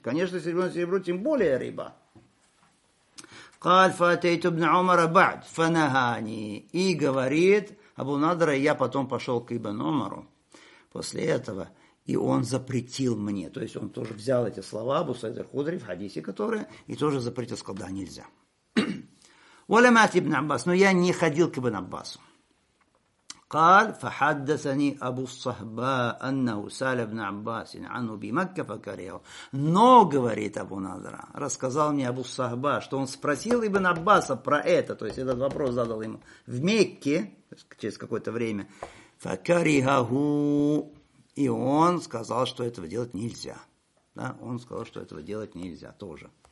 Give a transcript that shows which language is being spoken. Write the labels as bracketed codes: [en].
[ru] Конечно, серебро на серебро, тем более риба. [ar] قال فأتيت ابن عمر بعد فنهاني [ru] и говорит Абу Надра, я потом пошел к Ибн Умару после этого, и он запретил мне. То есть он тоже взял эти слова Абу Саида Худри, в хадисе которые, и тоже запретил, сказал, да, нельзя. Валямат ибн Аббас, но я не ходил к Ибн Аббасу. [ar] قال فحدثني أبو الصهباء أنه سأل ابن عباس عنه بمكة فكرهه. [ru] Но говорит Абу Надра, рассказал мне Абу Сахба, что он спросил ибн Аббаса про это, то есть этот вопрос задал ему в Мекке через какое-то время. [ar] فكرهه, [ru] и он сказал, что этого делать нельзя. Да, он сказал, что этого делать нельзя тоже.